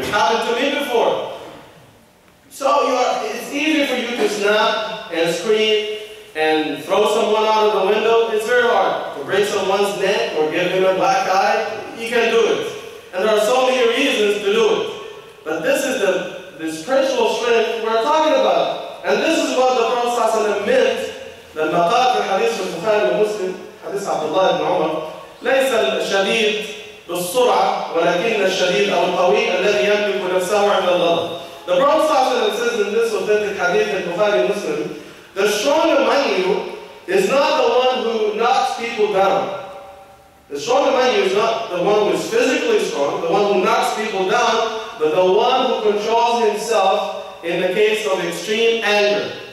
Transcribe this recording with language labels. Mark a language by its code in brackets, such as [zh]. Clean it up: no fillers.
[en] It happened to me before. So it's easy for you to snap and scream and throw someone out of the window. It's very hard to break someone's neck or give them a black eye. You can do it. And there are so many reasons to do it. But this is the spiritual strength we're talking about. And this is what the Prophet ﷺ meant. The Naqat al-Hadith of Bukhari and Muslim, Hadith Abdullah ibn Umar, [ar] ليس الشديد بالسرعة ولكن الشديد أو القوي الذي يملك نفسه عند الله. [en] The Prophet says in this authentic hadith in Bukhari Muslim, the strong among you is not the one who knocks people down. The stronger man is not the one who is physically strong, the one who knocks people down, but the one who controls himself in the case of extreme anger.